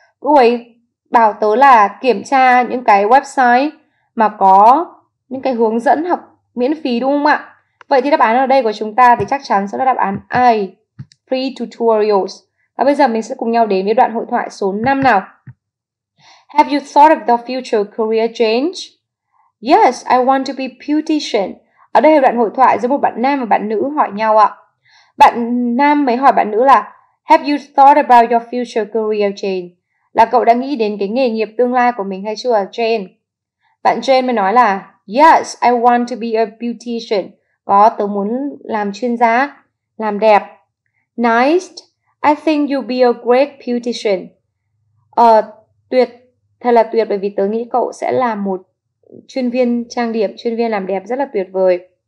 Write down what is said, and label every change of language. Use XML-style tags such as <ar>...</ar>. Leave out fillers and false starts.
<vi>Cô ấy bảo tớ là kiểm tra những cái website mà có những cái hướng dẫn học miễn phí đúng không ạ? Vậy thì đáp án ở đây của chúng ta thì chắc chắn sẽ là đáp án A,</vi> <en>free tutorials.</en> <vi>Và bây giờ mình sẽ cùng nhau đến với đoạn hội thoại số 5 nào.</vi> <en>Have you thought of the future career change? Yes, I want to be beautician.</en> <vi>Ở đây là đoạn hội thoại giữa một bạn nam và bạn nữ hỏi nhau ạ. Bạn nam mới hỏi bạn nữ là</vi> <en>Have you thought about your future career change?</en> <vi>Là cậu đã nghĩ đến cái nghề nghiệp tương lai của mình hay chưa, Jane? Bạn Jane mới nói là</vi> <en>Yes, I want to be a beautician.</en> <vi>Có, tớ muốn làm chuyên gia, làm đẹp.</vi> <en>Nice, I think you'll be a great beautician.</en> <vi>Tuyệt, thật là tuyệt bởi vì tớ nghĩ cậu sẽ là một chuyên viên trang điểm, chuyên viên làm đẹp rất là tuyệt vời.</vi>